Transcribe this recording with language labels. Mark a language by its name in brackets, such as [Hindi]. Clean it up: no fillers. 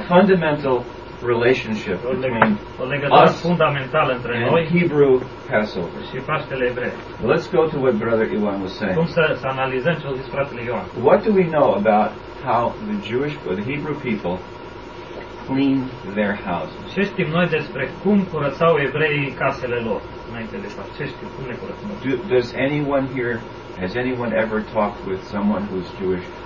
[English] Fundamental relationship between us and Hebrew Passover. Let's go to what Brother Ioan was saying. What do we know about how the Jewish or the Hebrew people clean their houses? [Romanian] Ce știm noi despre cum curățau evreii casele lor înainte de Paște? Ce știm, cum ne curățăm? [English] Has anyone ever talked with someone who's Jewish?